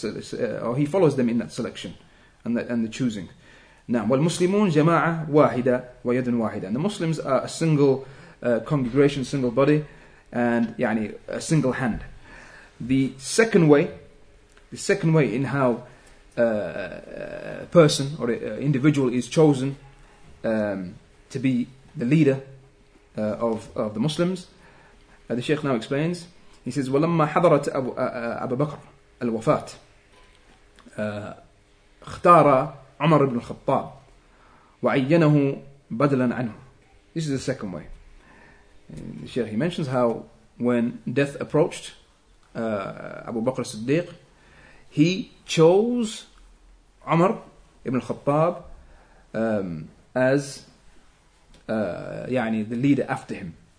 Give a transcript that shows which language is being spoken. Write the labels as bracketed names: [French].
[English] He follows them in that selection and the choosing. [Arabic] Now, والمسلمون جماعة واحدة ويد واحدة. [English] And the Muslims are a single congregation, single body, and a single hand. The second way in how a person or an individual is chosen to be the leader of the Muslims, the Shaykh now explains. He says, [Arabic] ولما حضرت أبو بكر الوفاة اختار عمر بن الخطاب وعينه بدلا عنه. [English] This is the second way. The Shaykh, he mentions how when death approached Abu Bakr as-Siddiq, he chose Umar ibn al-Khattab as the leader after him.